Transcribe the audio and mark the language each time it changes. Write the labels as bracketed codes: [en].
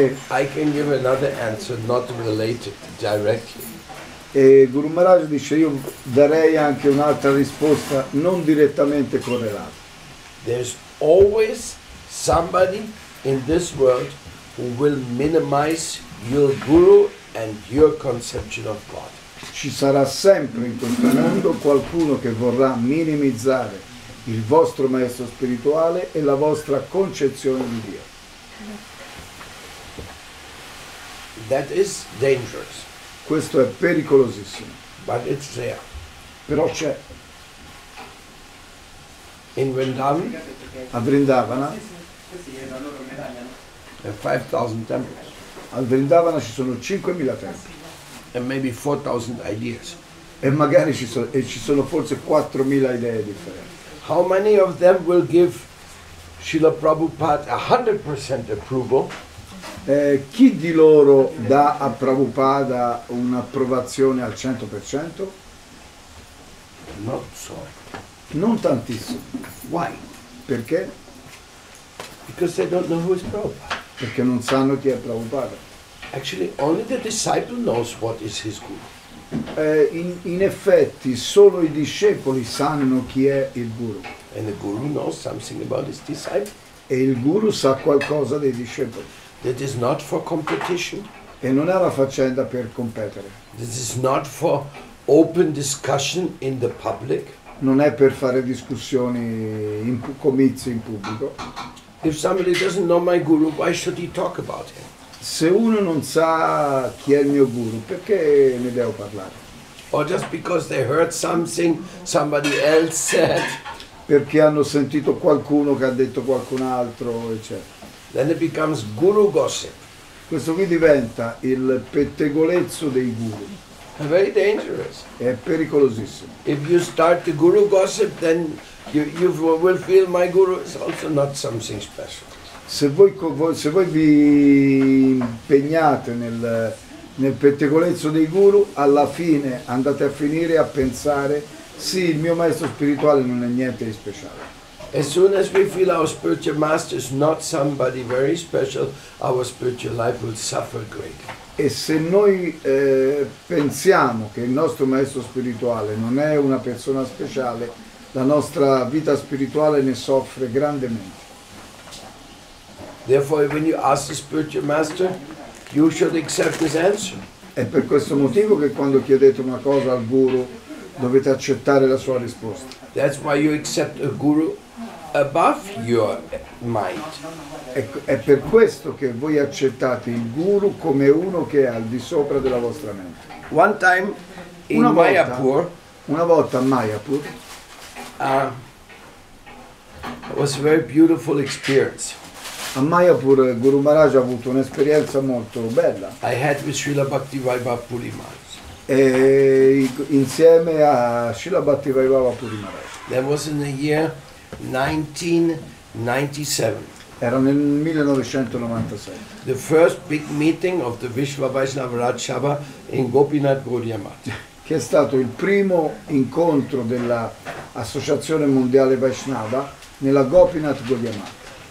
[en] I can give another answer not related directly. [it] E Guru Maharaj dice io darei anche un'altra risposta non direttamente correlata. [en] There's always somebody in this world who will minimize your guru and your conception of God. [it] Ci sarà sempre in questo mondo qualcuno che vorrà minimizzare il vostro maestro spirituale e la vostra concezione di Dio. [en] That is dangerous. [it] Questo è pericolosissimo. [en] But it's there. [it] Però c'è. [en] In Vrindavan? [it] A Vrindavana? [en] There are 5,000 temples. [it] Al Vrindavana ci sono 5,000 templi. [en] And maybe 4,000 ideas. [it] E magari ci sono forse 4,000 idee differenti. [en] How many of them will give Srila Prabhupada 100% approval? [it] Chi di loro dà a Prabhupada un'approvazione al 100%? [en] Not so. [it] Non tantissimo. [en] Why? [it] Perché? [en] Because they don't know who is Prabhupada. [it] Perché non sanno chi è Prabhupada. [en] Actually, only the disciple knows what is his guru. [it] In effetti, solo i discepoli sanno chi è il guru. [en] And the guru knows something about his disciple. [it] E il guru sa qualcosa dei discepoli. [en] That is not for competition. [it] E non è la faccenda per competere. [en] This is not for open discussion in the public. [it] Non è per fare discussioni in comizi in pubblico. [en] If somebody doesn't know my guru, why should he talk about him? [it] Se uno non sa chi è il mio guru, perché ne devo parlare? [en] or just because they heard something somebody else said. [it] Perché hanno sentito qualcuno che ha detto qualcun altro, eccetera. [en] Then it becomes guru gossip. [it] Questo qui diventa il pettegolezzo dei guru. [en] Very dangerous. [it] È pericolosissimo. [en] If you start the guru gossip, then you will feel my guru is also not something special. [it] Se voi vi impegnate nel pettegolezzo dei guru, alla fine andate a finire a pensare: sì, il mio maestro spirituale non è niente di speciale. [en] As soon as we feel our spiritual master is not somebody very special, our spiritual life will suffer greatly. [it] E se noi pensiamo che il nostro maestro spirituale non è una persona speciale, la nostra vita spirituale ne soffre grandemente. [en] Therefore, when you ask the spiritual master, you should accept his answer. [it] È per questo motivo che quando chiedete una cosa al guru, dovete accettare la sua risposta. [en] That's why you accept a guru above your might. [it] È per questo che voi accettate il guru come uno che è al di sopra della vostra mente. [en] One time in Mayapur, [it] una volta a Mayapur, [en] it was a very beautiful experience. [it] A Mayapur Guru Maharaj ha avuto un'esperienza molto bella. [en] I had with Srila Bhakti Vaibhava Puri Maharaj. [it] E insieme a Srila Bhakti Vaibhava Puri Maharaj. [en] That was in the year 1997. [it] Era nel 1997. [en] The first big meeting of the Vishva Vaishnava Raj Sabha in Gopinath Gaudiya Math. [it] Che è stato il primo incontro dell'Associazione Mondiale Vaishnava nella Gopinath Gaudiya Math.